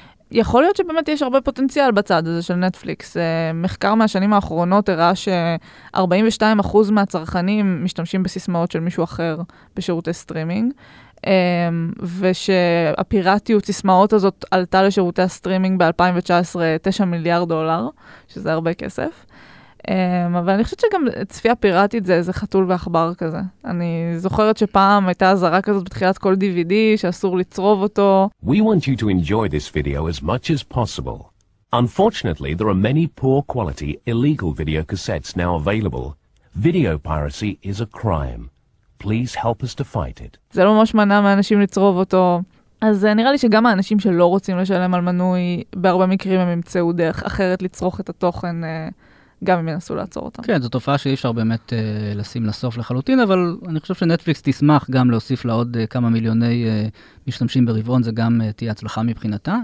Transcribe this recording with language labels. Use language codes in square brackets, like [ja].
[he] יכול להיות שבאמת יש הרבה פוטנציאל בצד הזה של נטפליקס. מחקר מהשנים האחרונות הראה ש-42% מהצרכנים משתמשים בסיסמאות של מישהו אחר בשירותי סטרימינג, ושהפיראטיות סיסמאות הזאת עלתה לשירותי הסטרימינג ב-2019 $9 מיליארד, שזה הרבה כסף. אבל אני חושבת שגם צפייה פיראטית זה איזה חתול ואכבר כזה. אני זוכרת שפעם הייתה זרה כזאת בתחילת כל DVD שאסור לצרוב אותו. [en] We want you to enjoy this video as much as possible. Unfortunately, there are many poor quality illegal video cassettes now available. Video piracy is a crime. Please help us to fight it. [he] זה לא ממש מנע מהאנשים לצרוב אותו. אז נראה לי שגם האנשים שלא רוצים לשלם על מנוי, בהרבה מקרים הם ימצאו דרך אחרת לצרוך את התוכן גם אם ינסו לעצור אותם. כן, זו תופעה שאי אפשר באמת לשים לסוף לחלוטין, אבל אני חושב שנטפליקס תשמח גם להוסיף לעוד כמה מיליוני משתמשים ברבעון, זה גם תהיה הצלחה מבחינתה.